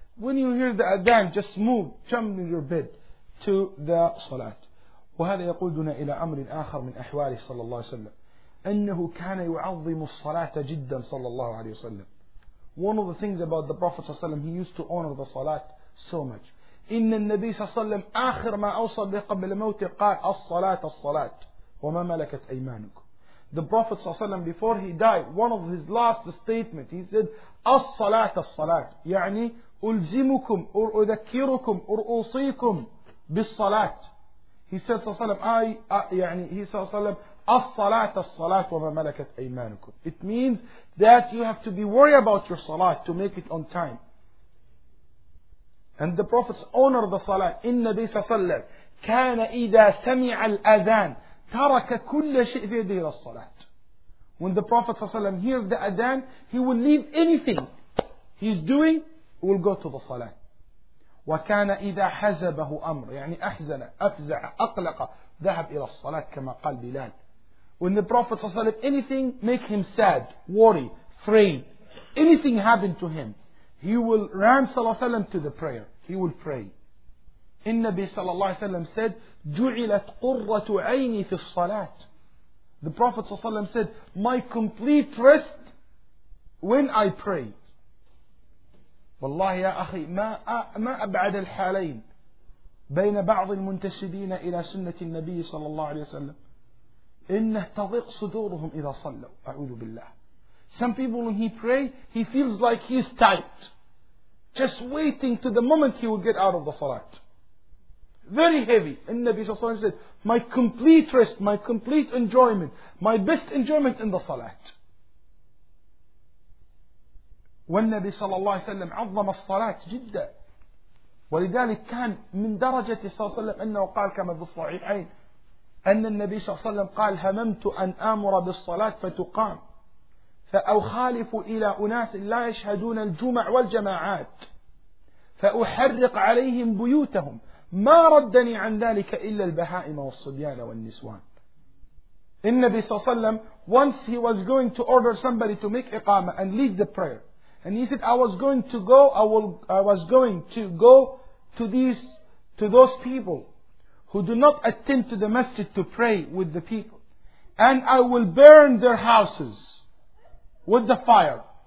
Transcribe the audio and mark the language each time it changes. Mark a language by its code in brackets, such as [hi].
[en] When you hear the adhan just move, jump in your bed to the صلاة. [ar] وهذا يقودنا إلى أمر آخر من أحواله صلى الله عليه وسلم, أنه كان يعظم الصلاة جدا صلى الله عليه وسلم. [en] One of the things about the Prophet [ar] صلى الله عليه وسلم, [en] he used to honor the صلاة so much. [ar] إن النبي صلى الله عليه وسلم آخر ما أوصل به قبل موته قال الصلاة الصلاة وما ملكت أيمانكم. [en] The Prophet [ar] صلى الله عليه وسلم [en] before he died, one of his last statements, he said [ar] الصلاة الصلاة, يعني ألزمكم أو أذكركم أو أوصيكم بالصلاة. [en] He said [ar] صلى الله عليه وسلم يعني [en] he [ar] صلى الله عليه وسلم الصلاة الصلاة وما ملكت أيمانكم. [en] It means that you have to be worried about your salat to make it on time. And the Prophet's honor the salat. [ar] إن بي سسلم كان إذا سمع الأذان ترك كل شيء في يده للصلاة. [en] When the Prophet ﷺ hears the adhan, he will leave anything he's doing, he will go to the salat. [ar] وكان إذا حزبه أمر, يعني أحزن أفزع أقلق ذهب إلى الصلاة كما قال بلال. [en] When the Prophet ﷺ, anything make him sad, worry, afraid, anything happen to him, he will run ﷺ to the prayer. He will pray. [ar] النبي صلى الله عليه وسلم [en] said, [ar] جعلت قرة عيني في الصلاة. [en] The Prophet ﷺ said, my complete rest when I pray. [ar] والله يا أخي ما أبعد الحالين بين بعض المنتسبين إلى سنة النبي صلى الله عليه وسلم. إنه تضيق صدورهم إذا صلوا, أعوذ بالله. [en] Some people when he pray he feels like he's tight, just waiting to the moment he will get out of the salat. Very heavy. [ar] النبي صلى الله عليه وسلم [en] said my complete rest, my complete enjoyment, my best enjoyment in the salat. [ar] والنبي صلى الله عليه وسلم عظم الصلاة جدا, ولذلك كان من درجة صلى الله عليه وسلم أنه قال كما في الصحيحين أن النبي صلى الله عليه وسلم قال هممت أن آمر بالصلاة فتقام فأخالف إلى أناس لا يشهدون الجمع والجماعات فأحرق عليهم بيوتهم ما ردني عن ذلك إلا البهائم والصبيان والنسوان. النبي صلى الله عليه وسلم [en] once he was going to order somebody to make إقامة and lead the prayer, and he said I was going to go to those people who do not attend to the masjid to pray with the people, and I will burn their houses with the fire.